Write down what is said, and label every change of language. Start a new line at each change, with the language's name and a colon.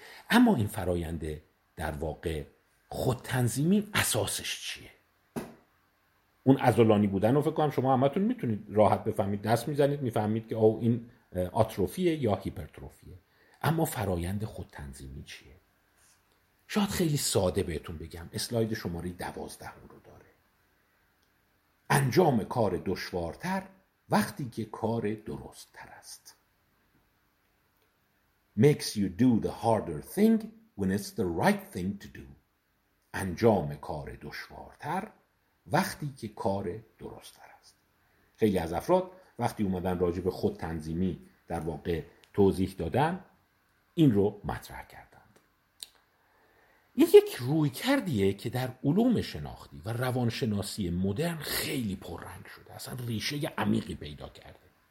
Persian: اما این فرایند در واقع خودتنظیمی اساسش چیه؟ اون عضلانی بودن رو فکر کنم شما همتون میتونید راحت بفهمید، دست میزنید میفهمید که او این آتروفیه یا هیپرتروفیه. اما فرایند خودتنظیمی چیه؟ شاید خیلی ساده بهتون بگم، اسلاید شماره 12 رو داره. انجام کار دشوارتر وقتی که کار درست تر است.
English: Makes you do the harder thing when it's the right thing to do.
Persian: انجام کار دشوارتر وقتی که کار درست تر است. خیلی از افراد وقتی اومدن راجع به خودتنظیمی در واقع توضیح دادن، این رو مطرح کردند. این یک رویکردیه که در علوم شناختی و روانشناسی مدرن خیلی پررنگ شده، اصلا ریشه عمیقی پیدا کرده.